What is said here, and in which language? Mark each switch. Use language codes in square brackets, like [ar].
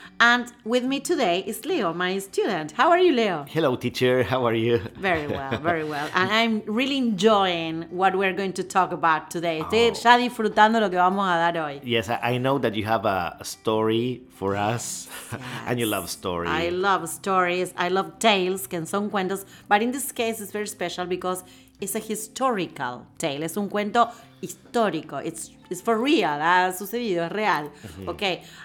[en] And with me today is Leo, my student. How are you, Leo? Hello, teacher. How are you? Very well, very well. And I'm really enjoying what we're going to talk about today. [es] Estoy ya disfrutando lo que vamos a dar hoy. [en] Yes, I know that you have a story for us. Yes. And you love stories. I love stories. I love tales, [es] que son cuentos. [en] But in this case, it's very special because it's a historical tale. [es] Es un cuento histórico. [en] It's for real. [es] Ha sucedido. Es real. Mm-hmm. Okay.